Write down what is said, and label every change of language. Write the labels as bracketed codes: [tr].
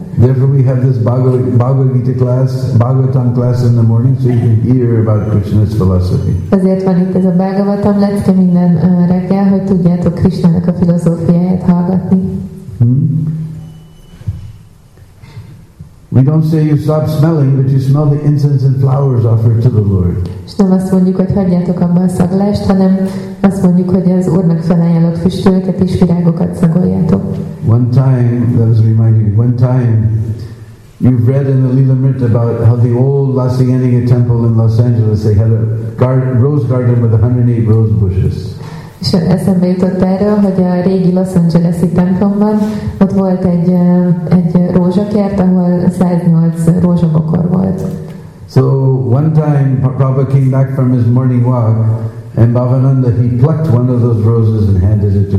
[en] Therefore we have this Bhagavad Gita class, Bhagavatam class in the morning, so you can hear about Krishna's philosophy. [hu] Azért van itt ez a Bhagavatam, lecke minden reggel, hogy tudjátok Krishnának a filozófiáját hallgatni. [en] We don't say you stop smelling, but you smell the incense and flowers offered to the Lord. [hu] És nem azt mondjuk, hogy hagyjátok abba a szaglást, hanem azt mondjuk, hogy az Úrnak felajánlott füstölőket és virágokat szagoljátok. [en] One time, that was reminding me, one time you've read in the Lilamrit about how the old La Cienega temple in Los Angeles, they had a rose garden with 108 rose bushes. [hu] És eszembe jutott erről, hogy a régi Los Angeles-i templomban ott volt egy rózsakert, ahol 108 rózsabokor volt. [en] So one time Prabhupada came back from his morning walk and Bhavananda, he plucked one of those roses and handed it to